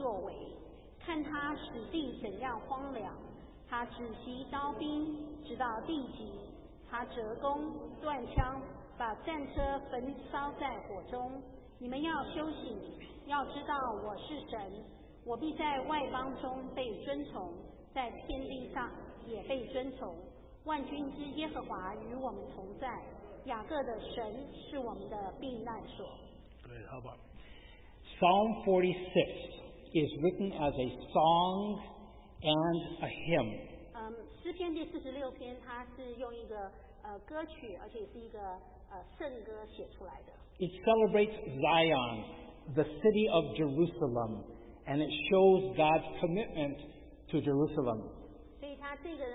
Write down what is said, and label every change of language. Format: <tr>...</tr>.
<zh>这城就是至高者居住的圣所，神在其中，城必不动摇。到天一亮，神必帮助这城，外邦喧嚷，列国动摇。神发声，地便融化。万军之耶和华与我们同在，雅各的神是我们的避难所。你们来看耶和华的作为，看他使地怎样荒凉。他止息刀兵，直到地极；他折弓断枪，把战车焚烧在火中。你们要修行，要知道我是神，我必在外邦中被尊崇，在天地上也被尊崇。万军之耶和华与我们同在，雅各的神是我们的避难所。</zh> <en>Psalm 46 is written as a song and a hymn.</en> <zh>诗篇第46篇，它是用一个歌曲，而且是一个圣歌写出来的。</zh> <en>It celebrates Zion, the city of Jerusalem, and it shows God's commitment to Jerusalem.</en>